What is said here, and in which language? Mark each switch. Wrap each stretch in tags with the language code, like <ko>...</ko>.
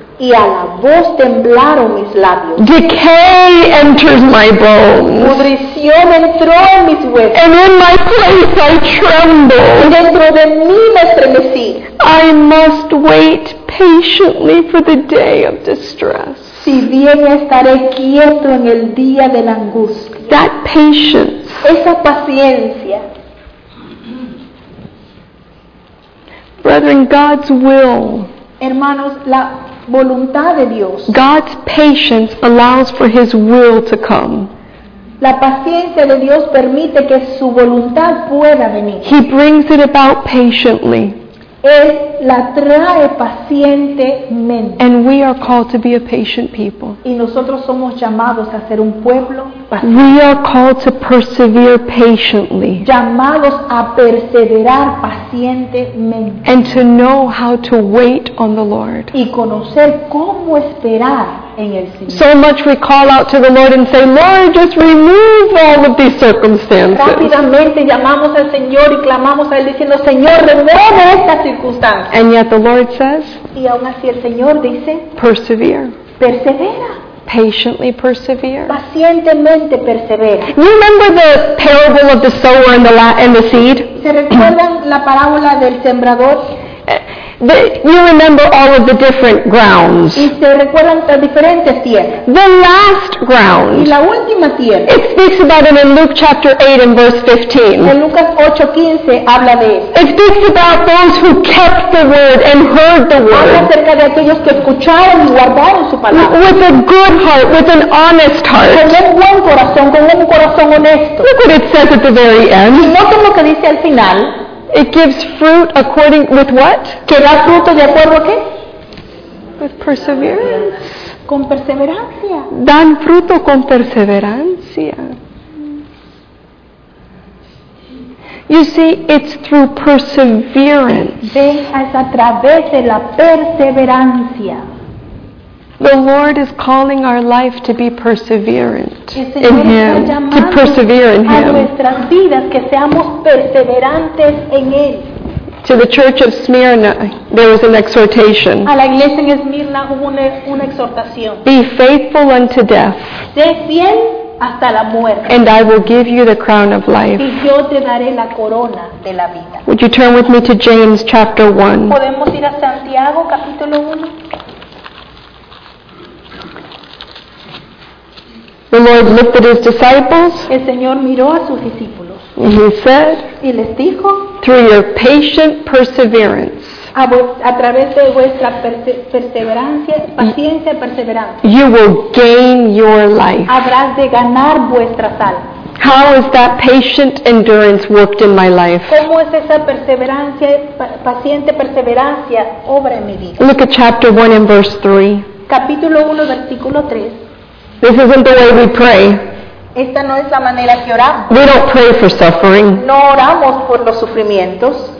<es>Y a la voz temblaron mis labios.</es> <en>Decay enters my bones.</en> <es>Pudrición entró en mis huesos.</es> <en>And in my place I trembled.</en> <es>Y dentro de mí me estremecí.</es> <en>I must wait patiently for the day of distress.</en> <es>Si bien estaré quieto en el día de la angustia.</es> <en>That patience.</en> <es>Esa paciencia.</es> <en>Brethren, God's will.</en> <es>Hermanos, la voluntad de Dios.</es> <en>God's patience allows for His will to come.</en> <es>La paciencia de Dios permite que su voluntad pueda venir.</es> <en>He brings it about patiently.</en> <es>Él la trae pacientemente.</es> <en>And we are called to be a patient people.</en> <es>Y nosotros somos llamados a ser un pueblo paciente.</es> <en>We are called to persevere patiently.</en> <es>Llamados a perseverar pacientemente.</es> <en>And to know how to wait on the Lord.</en> <es>Y conocer cómo esperar en el Señor.</es> <en>So much we call out to the Lord and say, Lord, just remove all of these circumstances.</en> <es>Rápidamente llamamos al Señor y clamamos a Él diciendo, Señor, remueve esta circunstancia.</es> <en>And yet the Lord says,</en> <es>y aún así el Señor dice,</es> <en>persevere.</en> <es>Persevera.</es> <en>Patiently persevere.</en> <es>Pacientemente persevera.</es> <en>You remember the parable of the sower and the seed?</en> <es>¿Se recuerdan la parábola del sembrador?</es> <en>You remember all of the different grounds.</en> <es>Y se recuerdan las diferentes tierras.</es> <en>The last ground.</en> <es>Y la última tierra.</es> <en>It speaks about it in Luke chapter 8 and verse 15.</en> <es>En Lucas 8:15 habla de eso.</es> <en>It speaks about those who kept the word and heard the word.</en> <es>Habla acerca de aquellos que escucharon y guardaron su palabra.</es> <en>With a good heart, with an honest heart.</en> <es>Con un buen corazón, con un corazón honesto.</es> <en>Look what it says at the very end.</en> <es>Y noten lo que dice al final.</es> <en>It gives fruit according with what?</en> <es>¿Que da fruto de acuerdo a qué?</es> <en>With perseverance.</en> <es>Con perseverancia. Dan fruto con perseverancia.</es> <en>You see, it's through perseverance.</en> <es>Es a través de la perseverancia.</es> <en>The Lord is calling our life to be perseverant in Him, to persevere in Him.</en> <es>A nuestras vidas que seamos perseverantes en Él.</es> <en>To the church of Smyrna, there was an exhortation.</en> <es>A la iglesia en Esmirna hubo una exhortación.</es> <en>Be faithful unto death.</en> <es>Sé fiel hasta la muerte.</es> <en>And I will give you the crown of life.</en> <es>Y yo te daré la corona de la vida.</es> <en>Would you turn with me to James chapter 1?</en> <es>¿Podemos ir a Santiago capítulo 1?</es> <en>The Lord looked at His disciples.</en> <es>El Señor miró a sus discípulos.</es> <en>And He said,</en> <es>y les dijo,</es> <en>through your patient perseverance, you will gain your life.</en> <es>Habrás de ganar vuestras almas.</es> <en>How has that patient endurance worked in my life?</en> <es>¿Cómo es esa perseverancia, paciente perseverancia, obra en mi vida?</es> <en>Look at chapter 1 and verse 3.</en> <es>Capítulo 1, versículo 3.</es> <en>This isn't the way we pray.</en> <es>Esta no es la manera que oramos.</es> <en>We don't pray for suffering.</en> <es>No oramos por los sufrimientos.</es>